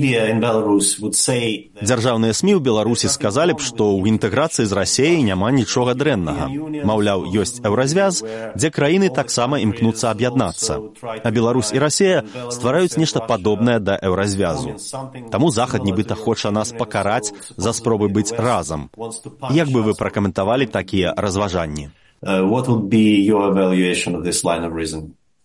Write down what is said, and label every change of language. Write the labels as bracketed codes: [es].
[be] Державныя СМІ ў Беларусі сказалі б, што ў інтэграцыі з Расіяй няма нічога дрэннага. Маўляў, ёсць еўразвяз, дзе краіны таксама імкнуцца аб'яднацца. А Беларусь і Расія ствараюць нешта падобнае да еўразвязу. Таму Захад нібыта хоча нас пакараць за спробы быць разам. Як бы вы пракаментавалі такія разважанні? [en] What would be your evaluation of this line of reasoning?